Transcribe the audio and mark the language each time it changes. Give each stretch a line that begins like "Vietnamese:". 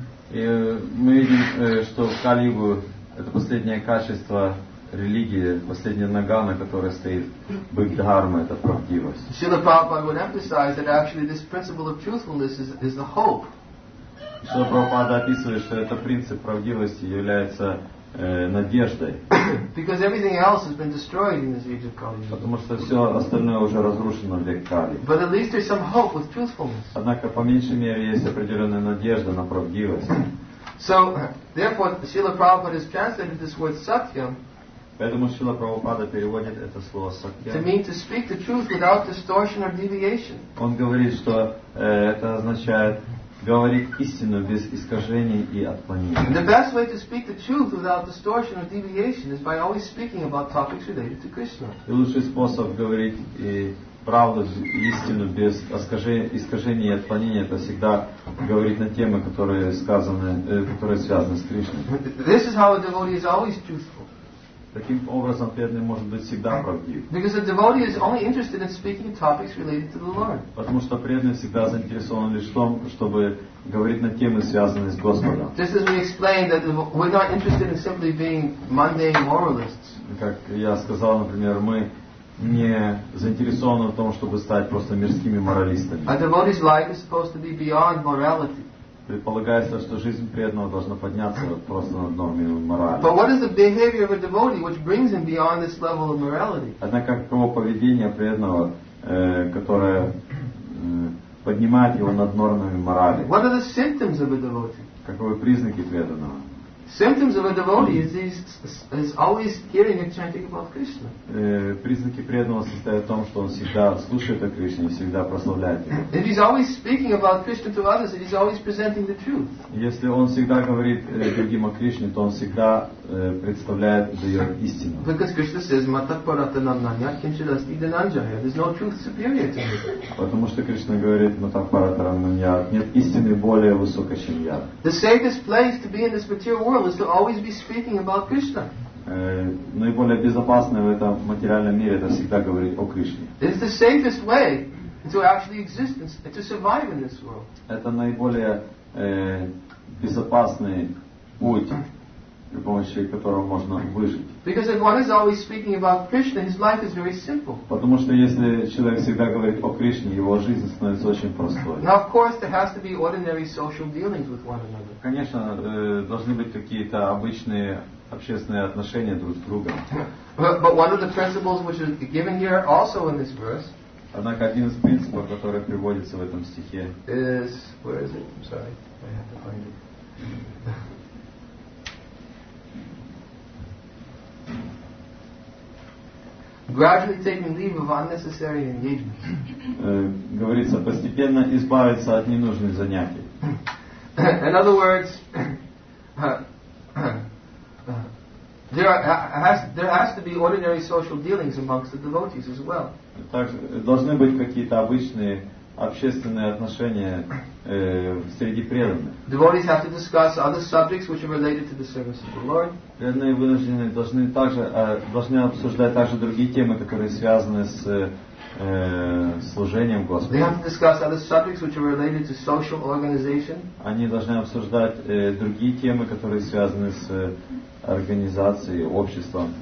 Russian: Мы видим, что в Кали-югу это последнее качество религия, последняя нога, на которой стоит бхакти-дхарма, это правдивость.
English: Шрила Прабхупада would emphasize that actually this principle of truthfulness is the hope.
Russian: Шрила Прабхупада описывает, что это принцип правдивости является надеждой.
English: Because everything else has been destroyed in this age of Kali.
Russian: Потому что все остальное уже разрушено в век Кали.
English: But at least there's some hope with truthfulness.
Russian: Однако по меньшей мере есть определенная надежда на правдивость.
English: So therefore, Шрила Прабхупада has translated this word satyam.
Russian: Поэтому Шрила Прабхупада переводит это слово сатья.
English: To mean to speak the truth without distortion or deviation.
Russian: Он говорит, что это означает говорить истину без искажений и отклонений.
English: The best way to speak the truth without distortion or deviation is by always speaking about topics related to Krishna.
Russian: И лучший способ говорить и правду, истину без искажений и отклонений, это всегда говорить на темы, которые сказаны, которые связаны с Кришной.
English: This is how a devotee is always truthful.
Russian: Таким образом, преданный может быть всегда правдив.
English: Because a devotee is only interested in speaking topics related to the Lord.
Russian: Потому что преданный всегда заинтересован лишь в том, чтобы говорить на темы, связанные с Господом.
English: Just as we explained that we're not interested in simply being mundane moralists.
Russian: Как я сказал, например, мы не заинтересованы в том, чтобы стать просто мирскими моралистами.
English: A devotee's life is supposed to be beyond morality.
Russian: Предполагается, что жизнь преданного должна подняться просто над нормой морали.
English: But what is the behavior of a devotee which brings him beyond this level of morality?
Russian: Однако каково поведение преданного, которое поднимает его над нормами морали?
English: What are the symptoms of a devotee?
Russian: Каковы признаки преданного?
English: Symptoms of a devotee is he's always hearing and chanting about Krishna.
Russian: Признаки преданного состоят в том, что он всегда слушает о Кришне и всегда прославляет его.
English: If he's always speaking about Krishna to others, he's always presenting the truth.
Russian: Если он всегда говорит другим о Кришне, то он всегда представляет, дает истину.
English: Because Krishna says,
Sanskrit: "Matapparatanam nanya kinchidasti dananjaya."
English: There's no truth superior to me.
Russian: Потому что Кришна говорит,
Sanskrit: "Matapparatanam nanya,"
Russian: нет истины более высокой, чем я.
English: The safest place to be in this material world is to always be speaking about Krishna.
Russian: Наиболее безопасное в этом материальном мире это всегда говорить о Кришне.
English: It is the safest way to actually exist and to survive in this world.
Russian: Это наиболее безопасный путь, при помощи которого можно выжить.
English: Because if one is always speaking about Krishna, his life is very simple.
Russian: Потому что если человек всегда говорит о Кришне, его жизнь становится очень простой.
English: Now, of course, there has to be ordinary social dealings with one another.
Russian: Конечно, должны быть какие-то обычные общественные отношения друг с другом.
English: But one of the principles which is given here also in this verse.
Russian: Однако один из принципов, который приводится в этом стихе.
English: Is where is it? I'm sorry, I have to find it. Gradually taking leave of unnecessary engagements.
Russian: Говорится, постепенно избавиться от ненужных занятий.
English: In other words, there has to be ordinary social dealings amongst the devotees as well.
Russian: Так должны быть какие-то обычные общественные отношения среди преданных.
English: Devotees have to discuss other subjects which are related to the service of the Lord.
Russian: Преданные вынуждены должны обсуждать также другие темы, которые связаны с служением Господу.
English: They have to discuss other subjects which are related to social organization.
Russian: Они должны обсуждать другие темы, которые связаны с организацией, обществом.